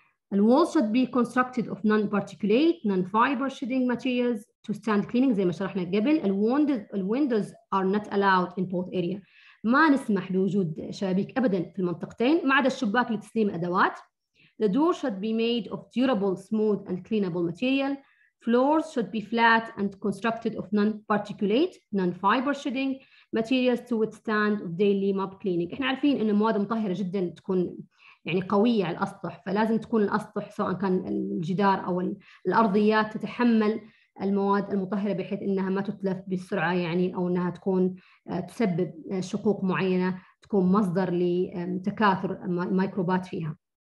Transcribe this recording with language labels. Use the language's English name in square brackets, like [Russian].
[English] The walls should be constructed of non-particulate, non-fiber shedding materials to stand cleaning. [Arabic] زي ما شرحنا قبل، [English] الويندوز are not allowed in both area. [Arabic] ما نسمح بوجود شبابيك ابدا في المنطقتين ما عدا الشباك لتسليم ادوات. [English] The door should be made of durable, smooth and cleanable material. Floors should be flat and constructed of non-particulate, non-fiber shedding materials to withstand daily mop cleaning. [Arabic] احنا عارفين ان المواد مطهره جدا تكون يعني قوية على الأسطح، فلازم تكون الأسطح سواء كان الجدار أو الأرضيات تتحمل المواد المطهرة بحيث أنها ما تتلف بسرعة يعني، أو أنها تكون تسبب شقوق معينة تكون مصدر لتكاثر الميكروبات فيها.